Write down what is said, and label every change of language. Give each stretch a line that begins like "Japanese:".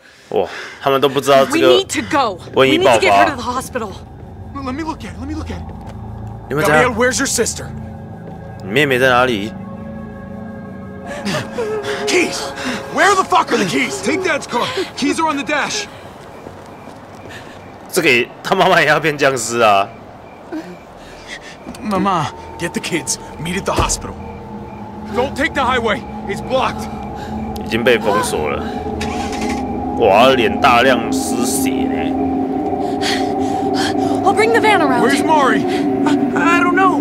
Chinese: 哇，他们都不知道这个瘟疫爆发。
English: We need to get her to the hospital. Let me look at it. Let me look at it.
Chinese: 你们在哪
English: 里 ？Where's your sister?
Chinese: 你妹妹在哪里
English: ？Keys. Where the fuck are the keys? Take Dad's car. Keys are on the dash.
Chinese: 这个他妈妈也要变僵尸啊！
English: 妈妈 ，get the kids, meet at the hospital. Don't take the highway, it's blocked.
Chinese: 已经被封锁了。哇，脸大量失血呢。
English: I'll bring the van around. Where's Mari? I don't know.